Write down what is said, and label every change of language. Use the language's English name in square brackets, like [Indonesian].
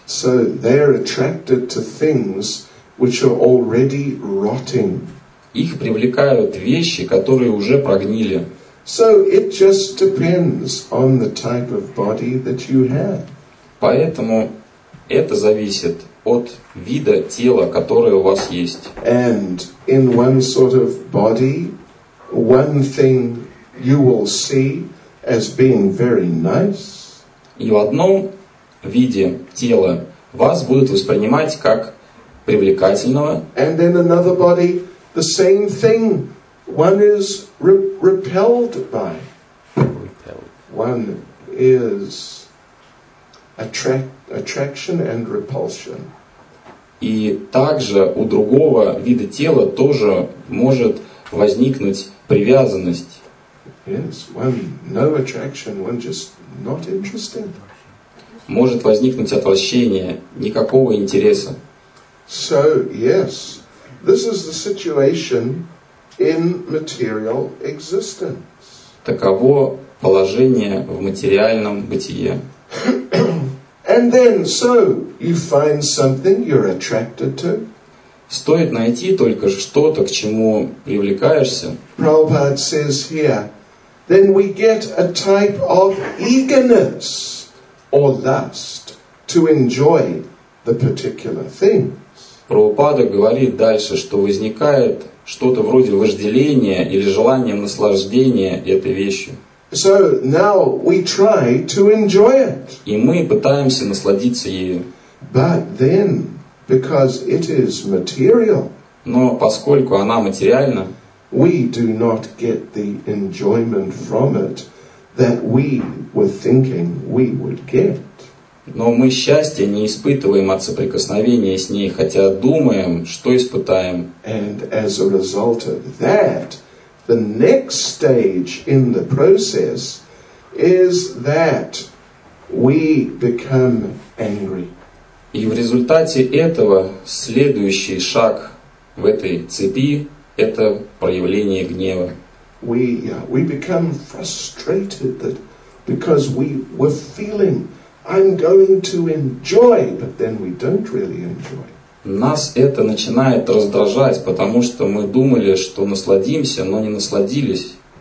[English] So they're attracted to things which are already rotting. [Russian] Их привлекают вещи, которые уже прогнили. [English] So it just depends on the type of body that you have. [Russian] Поэтому это зависит от вида тела, которое у вас есть. [English] And in one sort of body, one thing you will see as being very nice. [Russian] И в одном виде тела вас будут воспринимать как привлекательного. [English] And then another body, the same thing, one is repelled by. One is attraction and repulsion. [Russian] И также у другого вида тела тоже может возникнуть привязанность. [English] Yes, one, no attraction, one just not interested. [Russian] Может возникнуть отвращение, никакого интереса. [English] So, yes, this is the situation in material existence. [Russian] Таково положение в материальном бытие. [English] And then, so, you find something you're attracted to. [Russian] Стоит найти только что-то, к чему привлекаешься. [English] Prabhupada says here, then we get a type of eagerness or lust to enjoy the particular things. [Russian] Прабхупада говорит дальше, что возникает что-то вроде вожделения или желания наслаждения этой вещью. [English] So now we try to enjoy it. [Russian] И мы пытаемся насладиться ею. [English] But then, because it is material, [Russian] но поскольку она материальна, [English] we do not get the enjoyment from it that we were thinking we would get. [Russian] Но мы счастья не испытываем от соприкосновения с ней, хотя думаем, что испытаем. [English] And as a result of that, the next stage in the process is that we become angry. [Russian] И в результате этого следующий шаг в этой цепи – это проявление гнева. [English] We become frustrated that because we were feeling I'm going to enjoy, but then we don't really enjoy. [Russian] Нас это начинает раздражать, потому что мы думали, что насладимся, но не насладились.